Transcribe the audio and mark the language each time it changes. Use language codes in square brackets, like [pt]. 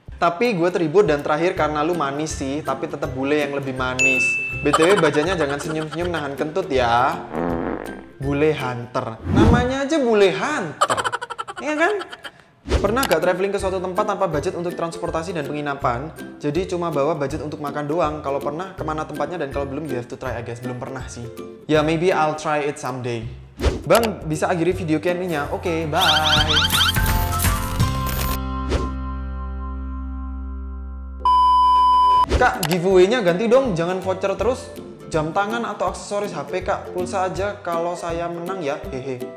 [id] Tapi gue terhibur dan terakhir karena lu manis sih, tapi tetap bule yang lebih manis. BTW bajanya jangan senyum-senyum nahan kentut ya. Bule Hunter. Namanya aja Bule Hunter. Iya kan? Pernah gak traveling ke suatu tempat tanpa budget untuk transportasi dan penginapan? Jadi cuma bawa budget untuk makan doang. Kalau pernah, kemana tempatnya? Dan kalau belum, [en] you have to try, I guess. [id] Belum pernah sih. Ya, [en] maybe I'll try it someday. [id] Bang, bisa akhiri video kayaknya? Oke, bye. Kak, giveaway-nya ganti dong, jangan voucher terus. Jam tangan atau aksesoris HP, Kak, pulsa aja kalau saya menang ya, hehe.